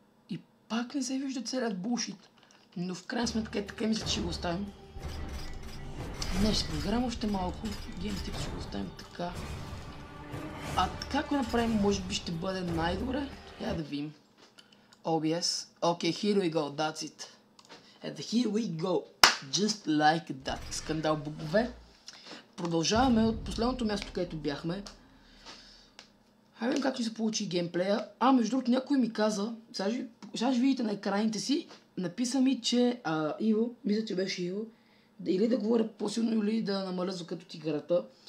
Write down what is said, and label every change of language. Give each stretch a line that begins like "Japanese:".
Bulgarian: И пак не се вижда целият булшит. Но в крайна сметка е така, мисля, че ще го оставим. Не, ще поиграем още малко. Генетик ще го оставим така. А така, ако направим, може би ще бъде най-добре. Я да видим. OBS.
English: Окей, here we go, that's it. And here we go, just like that.
Bulgarian: Скандал бугове. Продължаваме от последното място, където бяхме. Хайде видим как ни се получи геймплея. А, между другото, някой ми каза, сега ще видите на екраните си, написа ми, че Иво, мисля, че беше Иво, или да говоря по-силно, или да намаля звукът от играта.